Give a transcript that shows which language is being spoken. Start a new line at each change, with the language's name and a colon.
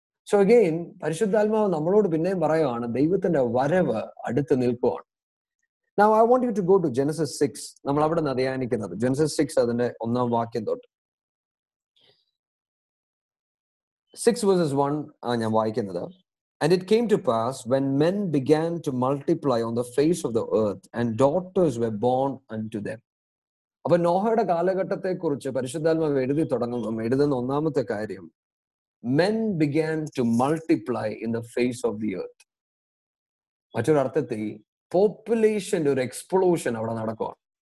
English: so again
Malayalam: പരിശുദ്ധാത്മാവ് നമ്മളോട് പിന്നെയും പറയുവാണ് ദൈവത്തിന്റെ വരവ് അടുത്ത് നിൽക്കുവാണ്.
English: Now I want you to go to Genesis 6.
Malayalam: നമ്മൾ അവിടെ നിന്ന് ധ്യാനിക്കുന്നത് ജനസിസ് 6 അതിന്റെ 1 വാക്യം തൊട്ട് 6:1 ഞാൻ വായിക്കുന്നത്.
English: And it came to pass when men began to multiply on the face of the earth and daughters were born unto them.
Malayalam: അപ്പോൾ നോഹയുടെ കാലഘട്ടത്തെ കുറിച്ച് പരിശുദ്ധാത്മാവ് എഴുതി തുടങ്ങുമ്പോൾ എഴുതുന്ന ഒന്നാമത്തെ കാര്യം,
English: men began to multiply in the face of the earth.
Malayalam: മറ്റൊരു അർത്ഥത്തിൽ പോപ്പുലേഷന്റെ ഒരു എക്സ്പ്ലോഷൻ അവിടെ നടക്കുകയാണ്.